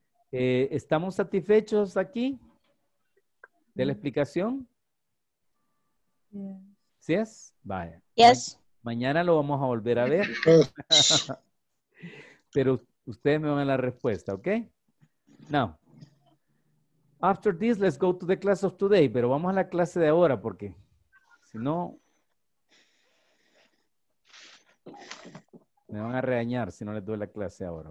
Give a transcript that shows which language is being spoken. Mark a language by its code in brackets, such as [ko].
[es] ¿Estamos satisfechos aquí de la explicación? ¿Sí es? Vaya. [en] Yes. [es] Mañana lo vamos a volver a ver. Pero ustedes me van a la respuesta, ¿ok? [en] Now. After this, let's go to the class of today. [es] Pero vamos a la clase de ahora porque si no, me van a regañar si no les doy la clase ahora.